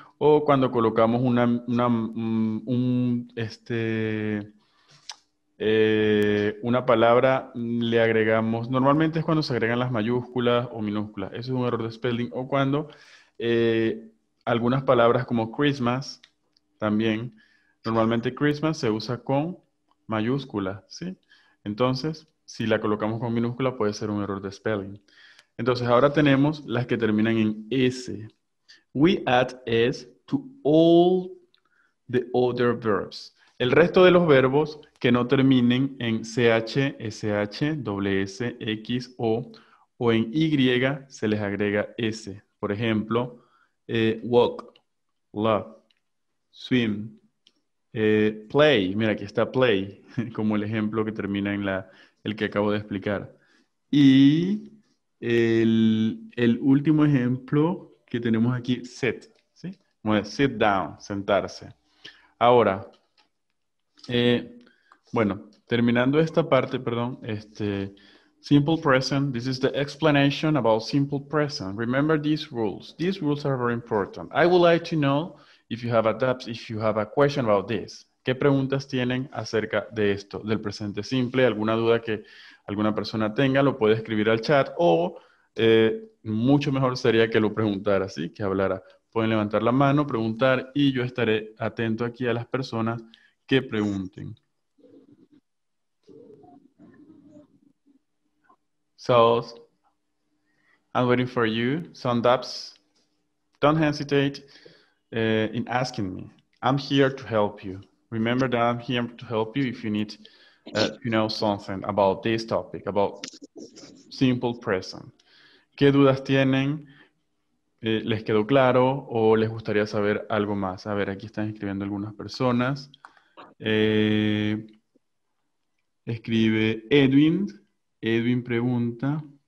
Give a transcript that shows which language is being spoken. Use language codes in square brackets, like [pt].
[es] O cuando colocamos una palabra, le agregamos, normalmente es cuando se agregan las mayúsculas o minúsculas, eso es un error de spelling, o cuando algunas palabras como Christmas, también, normalmente Christmas se usa con mayúscula, ¿sí? Entonces, si la colocamos con minúscula puede ser un error de spelling. Entonces, ahora tenemos las que terminan en S. [en] We add S to all the other verbs. [es] El resto de los verbos que no terminen en CH, SH, WS, X, o en Y, se les agrega S. Por ejemplo, walk, love, swim, play. Mira, aquí está play, como el ejemplo que termina en el que acabo de explicar. Y el último ejemplo que tenemos aquí, sit, ¿sí? Como es sit down, sentarse. Ahora, bueno, terminando esta parte, perdón, [en] simple present, this is the explanation about simple present. Remember these rules. These rules are very important. I would like to know if you have a question about this. [es] ¿Qué preguntas tienen acerca de esto, del presente simple? ¿Alguna duda que alguna persona tenga? Lo puede escribir al chat o mucho mejor sería que lo preguntara, ¿sí? Que hablara. Pueden levantar la mano, preguntar y yo estaré atento aquí a las personas que pregunten. [en] So, I'm waiting for you. Some doubts. Don't hesitate in asking me. I'm here to help you. Remember that I'm here to help you if you need to know something about this topic, about simple present. [es] ¿Qué dudas tienen? ¿Les quedó claro o les gustaría saber algo más? A ver, aquí están escribiendo algunas personas. Escribe Edwin. Edwin pregunta.